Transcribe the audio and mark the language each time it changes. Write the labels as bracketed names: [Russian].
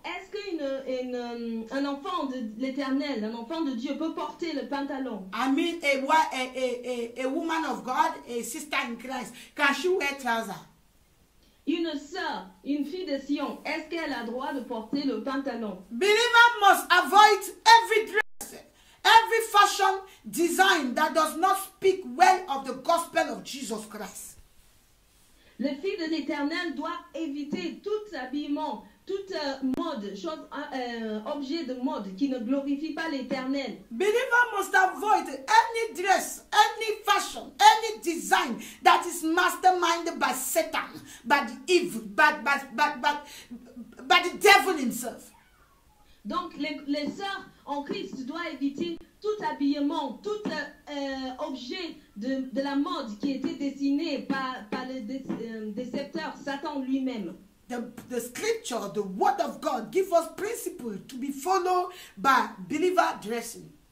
[French] Est-ce qu'un enfant de l'Éternel, un enfant de Dieu, peut porter le pantalon? [English] I mean, a woman of God, a sister in Christ, can she wear trousers? [French] Une sœur, une fille de Sion, est-ce qu'elle a le droit de porter le pantalon? [English] Believer must avoid every dress, every fashion design that does not speak well of the gospel of Jesus Christ. [French] Le fils de l'Éternel doit éviter tout habillement, tout mode, chose, objet de mode qui ne glorifie pas l'Éternel. [English] Believer must avoid any dress, any fashion, any design that is masterminded by Satan, by the evil, by the devil himself. [French] Donc les sœurs en Christ doivent éviter tout habillement, tout objet de la mode qui était dessiné par le décepteur Satan lui-même. [English] The scripture, the word of God, give us principles to be followed by believer dressing.